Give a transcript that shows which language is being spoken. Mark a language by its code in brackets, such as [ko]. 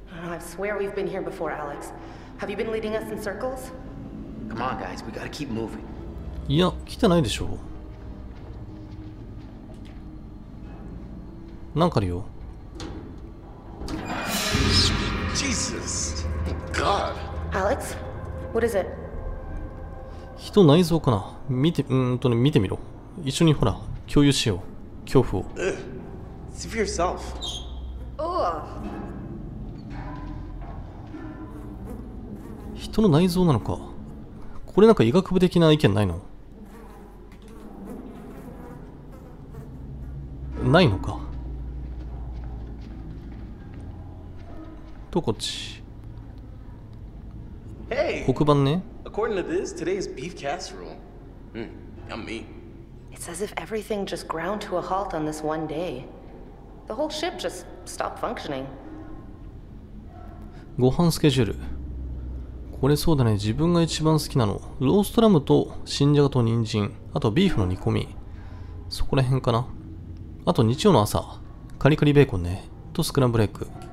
[en] I swear we've been here before, Alex. Have you been leading us in circles? Come on, guys. We gotta keep moving. [ja] いや、来てないでしょう。なんかあるよ。 [en] Jesus! God! Alex? What is it? [ja] 人内臓かな。見て、見てみろ。一緒にほら、共有しよう。恐怖を。 [en] See for yourself. Oh. [ja] 人の内臓なのか。これなんか医学部的な意見ないの？ないのか。とこっち。 [en] Hey! [ja] 黒板ね。 [en] According to this, today is beef casserole. Yummy. It's as if everything just ground to a halt on this one day. The whole ship just stopped functioning. [ja] ご飯スケジュール。これそうだね、自分が一番好きなの。ローストラムと新じゃがと人参、あとビーフの煮込み。そこら辺かな。あと日曜の朝、カリカリベーコンね。とスクランブルエッグ。